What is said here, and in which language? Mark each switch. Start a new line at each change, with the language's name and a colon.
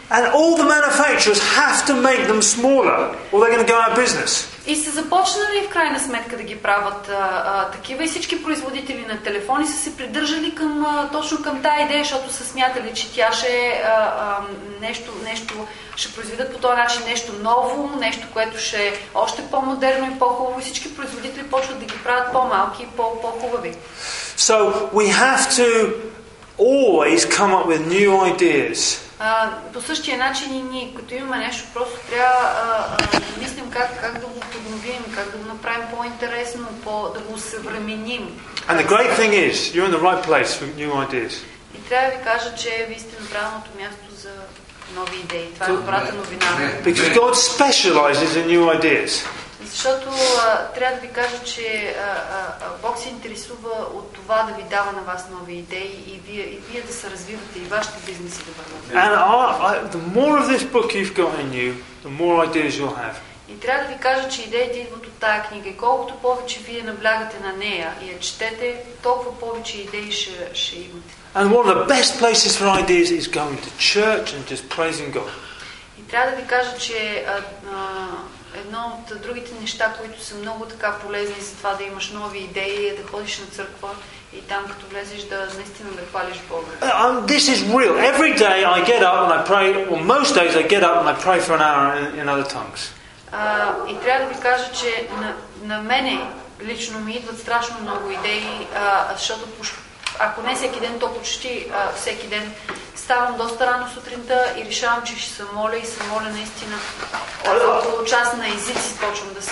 English: And all the manufacturers have to make them smaller, or they're going to go out of business.
Bulgarian: И са започнали в крайна сметка да ги правят такива и всички производители на телефони са се придържали към, точно към тази идея, защото са смятали, че тя ще нещо ще произведат по този начин нещо ново, нещо, което ще е още по-модерно и по-хубаво и всички производители почват да ги правят по-малки и по-хубави.
English: So we have to always come up with new ideas.
Bulgarian: По същия начин и ние, като имаме нещо, просто трябва да мислим как да го подновим, как да го направим по-интересно, да го съвременим.
English: And the great thing is, you're in the right place for new ideas.
Bulgarian: И трябва да ви кажа, че вие сте на правилното място за нови идеи. Това е добрата новина.
English: Because God specializes in new ideas.
Bulgarian: Защото трябва да ви кажа, че Бог се интересува от това да ви дава на вас нови идеи и вие да се развивате и вашите бизнеси да бъдат.
English: And the more of this book you've got in you, the more ideas you'll have.
Bulgarian: И трябва да ви кажа, че идеите идват от тая книга и колкото повече вие наблягате на нея и я четете, толкова повече идеи ще имате.
English: And one of the best places for ideas is going to church and just praising God.
Bulgarian: И трябва да ви кажа, че едно от другите неща, които са много така полезни за това да имаш нови идеи, е да ходиш на църква и там като влезеш да наистина да хвалиш Бога.
English: This is real. Every day I get up and I pray, well, most days I get up and I pray for an hour in other tongues.
Bulgarian: И трябва да ви кажа, че на мене лично ми идват страшно много идеи, защото ако не всеки ден, то почти всеки ден ставам доста рано сутринта и решавам, че ще се моля и се моля наистина около час на езици почвам да се